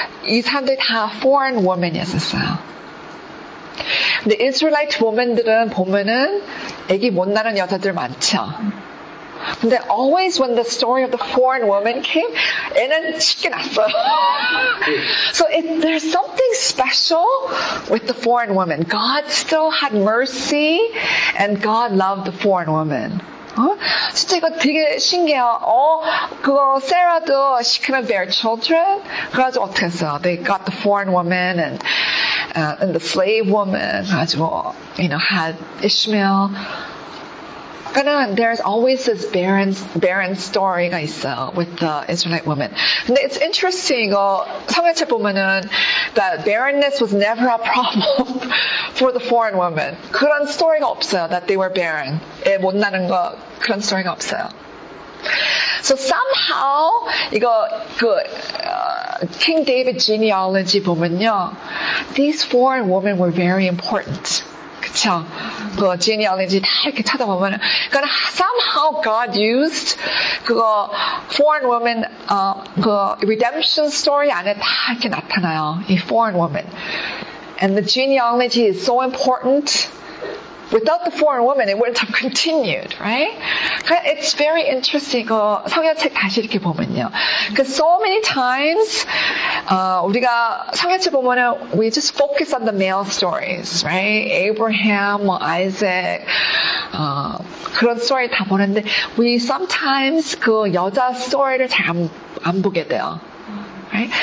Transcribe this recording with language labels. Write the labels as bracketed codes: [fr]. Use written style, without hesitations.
[ko] 이 사람들 다 foreign woman이었어요. [en] The Israelite woman들은 [ko] 보면은 애기 못 낳은 여자들 많죠. [en] 근데 always when the story of the foreign woman came, [ko] 애는 쉽게 낳았어요. [en] So it, there's something special with the foreign woman. God still had mercy and God loved the foreign woman. [ko] 진짜 이거 되게 신기해요. 그거 세라도 [en] she couldn't bear children. [ko] 그래가지고 어떻게 했어요? [en] They got the foreign woman and the slave woman, [ko] 그래가지고, [en] you know, had Ishmael. But there's always this barren story [ko] 가 있어 [en] with the Israelite woman. And it's interesting, [ko] 성경책 보면은 [en] that barrenness was never a problem for the foreign woman. [ko] 그런 story가 없어요, [en] that they were barren. [ko] 애 못 나는 거 그런 story가 없어요. [en] So somehow [ko] 이거 그 [en] King David genealogy [ko] 보면요, [en] these foreign women were very important. [ko] 그쵸? 그 genealogy 다 이렇게 찾아보면, 그러니까 [en] somehow God used [ko] 그거 foreign woman 그 redemption story 안에 다 이렇게 나타나요, 이 foreign woman. [en] And the genealogy is so important. Without the foreign woman, it wouldn't have continued, right? It's very interesting. [ko] 이거 성경책 다시 이렇게 보면요. [en] Because so many times, [ko] 우리가 성경책 보면은, [en] we just focus on the male stories, right? [ko] Abraham, Isaac, 그런 story 다 보는데, [en] we sometimes [ko] 그 여자 story를 잘 안 보게 돼요. [en] Right?